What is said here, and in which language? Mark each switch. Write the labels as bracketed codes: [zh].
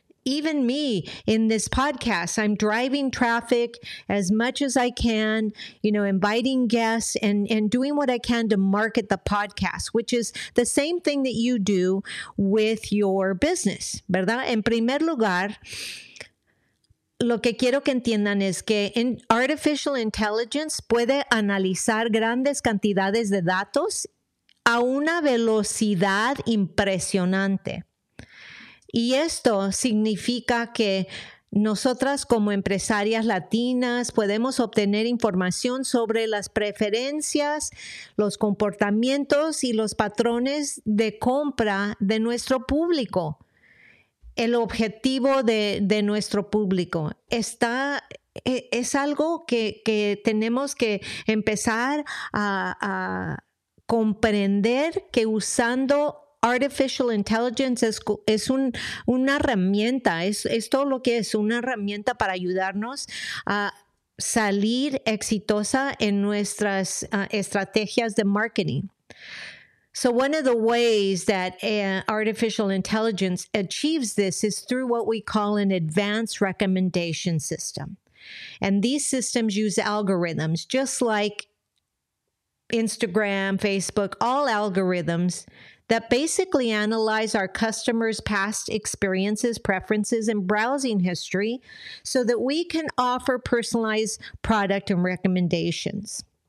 [en] Even me in this podcast, I'm driving traffic as much as I can, you know, inviting guests and doing what I can to market the podcast, which is the same thing that you do with your business, [es] ¿verdad? En primer lugar, lo que quiero que entiendan es que artificial intelligence puede analizar grandes cantidades de datos a una velocidad impresionante. Y esto significa que nosotras como empresarias latinas podemos obtener información sobre las preferencias, los comportamientos y los patrones de compra de nuestro público. El objetivo de nuestro público está, es algo que tenemos que empezar a comprender que usando artificial intelligence es una herramienta, es todo lo que es una herramienta para ayudarnos a salir exitosa en nuestras estrategias de marketing. [en] So one of the ways that artificial intelligence achieves this is through what we call an advanced recommendation system. And these systems use algorithms, just like Instagram, Facebook, all algorithms that basically analyze our customers' past experiences, preferences, and browsing history so that we can offer personalized product and recommendations.